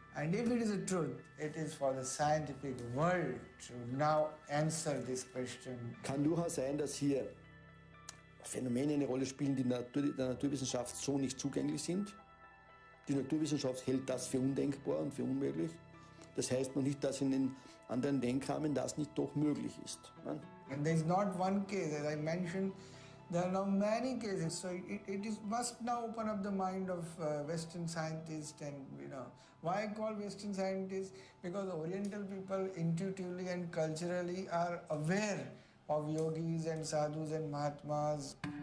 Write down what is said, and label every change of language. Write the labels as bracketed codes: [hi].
[en] And if it is a truth, it is for the scientific world to now answer this question. [de] Kann durchaus sein, dass hier Phänomene eine Rolle spielen, die der Naturwissenschaft so nicht zugänglich sind. Die Naturwissenschaft hält das für undenkbar und für unmöglich. Das heißt noch nicht, dass in den anderen Denkrahmen das nicht doch möglich ist. [en] And there is not one case, as I mentioned, there are now many cases. So it must now open up the mind of Western scientists and, you know, why I call Western scientists? Because Oriental people intuitively and culturally are aware of yogis and sadhus and mahatmas.